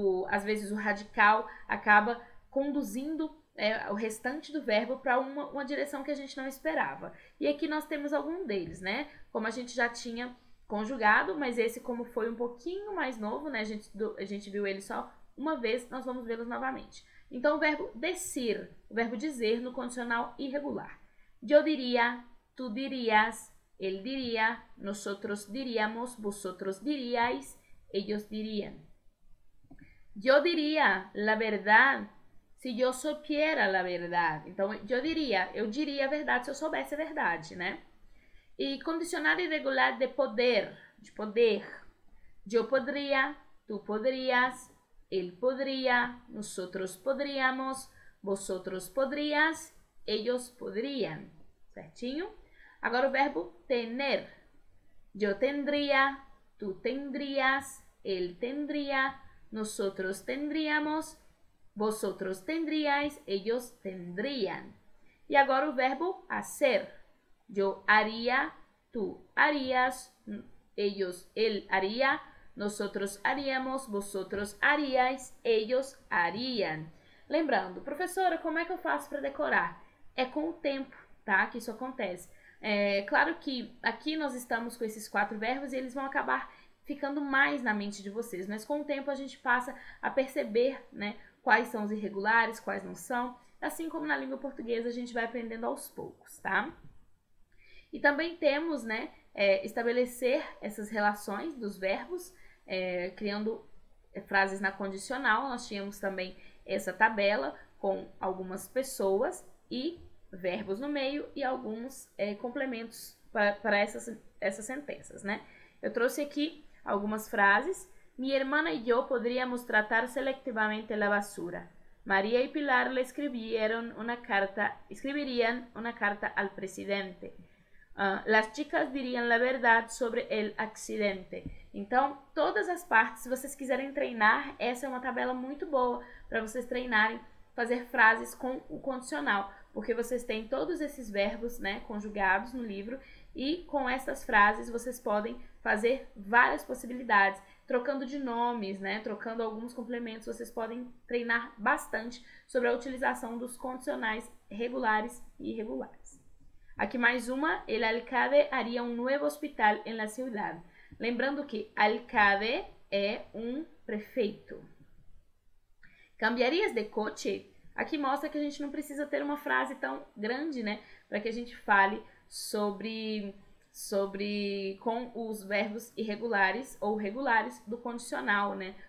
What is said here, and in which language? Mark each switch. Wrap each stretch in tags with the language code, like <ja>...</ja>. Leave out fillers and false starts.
<pt>Às vezes o radical acaba conduzindo o restante do verbo para uma direção que a gente não esperava. E aqui nós temos algum deles, né? Como a gente já tinha conjugado, mas esse, como foi um pouquinho mais novo, né? A gente viu ele só uma vez, nós vamos vê-los novamente. Então, o verbo decir, o verbo dizer no condicional irregular.</pt> <es>Yo diría, tú dirías, él diría, nosotros diríamos, vosotros diríais, ellos dirían. Yo diría la verdad si yo supiera la verdad.</es> <pt>Então, eu diria a verdade se eu soubesse a verdade, né? E condicional irregular de poder, de poder.</pt> <es>Yo podría, tú podrías, él podría, nosotros podríamos, vosotros podrías, ellos podrían.</es> <pt>Certinho? Agora o verbo tener.</pt> <es>Yo tendría, tú tendrías, él tendría, nosotros tendríamos, vosotros tendríais, ellos tendrían.</es> <pt>E agora o verbo hacer.</pt> <es>Yo haría, tú harías, él haría, nosotros haríamos, vosotros haríais, ellos harían.</es> <pt>Lembrando, professora, como é que eu faço para decorar? É com o tempo, tá? Que isso acontece. É claro que aqui nós estamos com esses quatro verbos e eles vão acabar ficando mais na mente de vocês, mas com o tempo a gente passa a perceber, né, quais são os irregulares, quais não são, assim como na língua portuguesa a gente vai aprendendo aos poucos, tá? E também temos, né, estabelecer essas relações dos verbos, criando frases na condicional. Nós tínhamos também essa tabela com algumas pessoas e verbos no meio e alguns complementos para essas sentenças, né? Eu trouxe aqui algumas frases.</pt> <es>Mi hermana y yo podríamos tratar selectivamente la basura. María y Pilar le escribirían una carta al presidente. Las chicas dirían la verdad sobre el accidente.</es> <pt>Então, todas as partes, se vocês quiserem treinar, essa é uma tabela muito boa para vocês treinarem fazer frases com o condicional, porque vocês têm todos esses verbos, né, conjugados no livro, e com essas frases vocês podem fazer várias possibilidades, trocando de nomes, né, trocando alguns complementos. Vocês podem treinar bastante sobre a utilização dos condicionais regulares e irregulares. Aqui mais uma,</pt> <es>el alcalde haría un nuevo hospital en la ciudad.</es> <pt>Lembrando que alcalde é um prefeito.</pt> <es>Cambiarias de coche?</es> <pt>Aqui mostra que a gente não precisa ter uma frase tão grande, né? Para que a gente fale sobre com os verbos irregulares ou regulares do condicional, né?</pt>